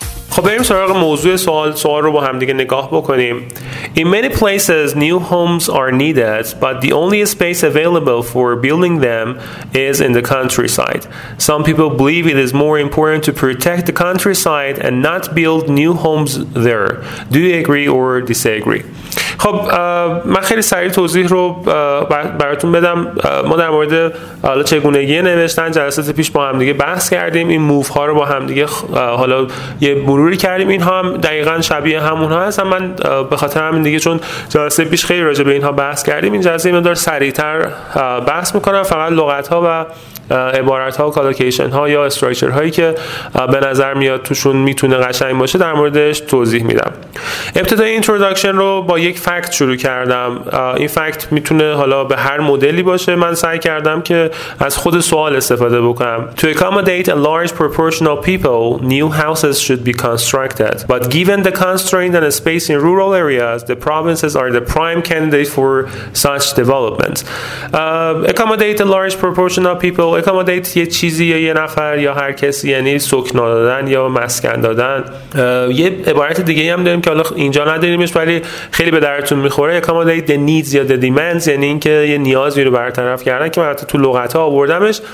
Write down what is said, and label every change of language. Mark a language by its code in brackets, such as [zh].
[fa] خب بریم سراغ موضوع سوال. سوال رو با هم دیگه نگاه بکنیم. [en] In many places new homes are needed, but the only space available for building them is in the countryside. Some people believe it is more important to protect the countryside and not build new homes there. Do you agree or disagree? [fa] خب من خیلی سریع توضیح رو براتون بدم. ما در مورد حالا چگونگی نوشتن جلسات پیش با هم دیگه بحث کردیم، این موف ها رو با هم دیگه حالا یه مروری کردیم، اینها هم دقیقاً شبیه همون ها هستن. من به خاطر همین دیگه چون جلسه پیش خیلی راجع به اینها بحث کردیم، این جلسه مقدار سریع‌تر بحث میکنم. فقط لغت ها و عبارت ها و کالوکیشن ها یا استراکچر هایی که به نظر میاد توشون میتونه قشنگ باشه در موردش توضیح میدم. ابتدای اینتروداکشن رو با یک فکت شروع کردم. این فکت میتونه حالا به هر مدلی باشه. من سعی کردم که از خود سوال استفاده بکنم. [en] To accommodate a large proportion of people, new houses should be constructed. But given the constraint and space in rural areas, the provinces are the prime candidate for such development. Accommodate a large proportion of people. [fa] اکامودیت یه چیزی یا یه نفر یا هر کسی، یعنی سکنا دادن یا مسکن دادن. یه عبارت دیگه هم داریم که حالا اینجا نداریمش ولی خیلی به درتون میخوره، [en] accommodate the needs [fa] یا [en] the demands, [fa] یعنی اینکه یه نیازی رو برطرف کردن که من حتی تو لغت‌ها آوردمش.